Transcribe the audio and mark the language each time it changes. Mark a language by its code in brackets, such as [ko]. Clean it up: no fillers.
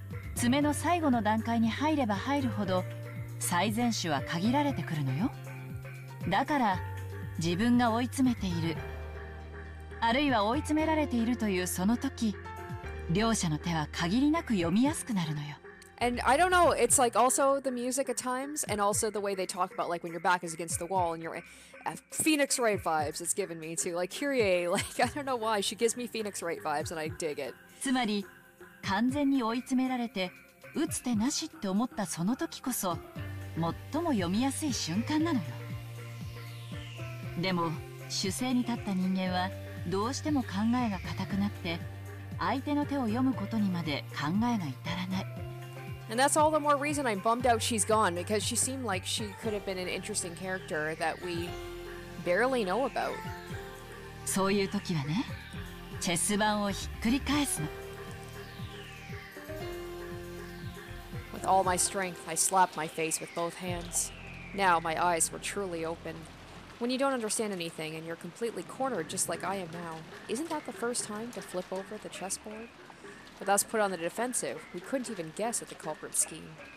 [ja] 詰めの最後の段階に入れば入るほど最善手は限られてくるのよ。だから自分が追い詰めている。あるいは追い詰められているというその時、両者の手は限りなく読みやすくなるのよ。 [en] And I don't know, it's like also the music at times, and also the way they talk about like when your back is against the wall and you're Phoenix Wright vibes it's given me too. Like Kirie, like I don't know why, she gives me Phoenix Wright vibes and I dig it. [ja] つまり、完全に追い詰められて、打つ手なしって思ったその時こそ、最も読みやすい瞬間なのよ。でも、主勢に立った人間は、どうしても考えが固くなって、相手の手を読むことにまで考えが至らない。 [en] And that's all the more reason I'm bummed out she's gone, because she seemed like she could have been an interesting character that we barely know about. [ja] そういう時はね、チェス盤をひっくり返すの。 [en] With all my strength, I slapped my face with both hands. Now my eyes were truly open. When you don't understand anything and you're completely cornered just like I am now, isn't that the first time to flip over the chessboard? But that's put on the defensive. We couldn't even guess at the culprit scheme.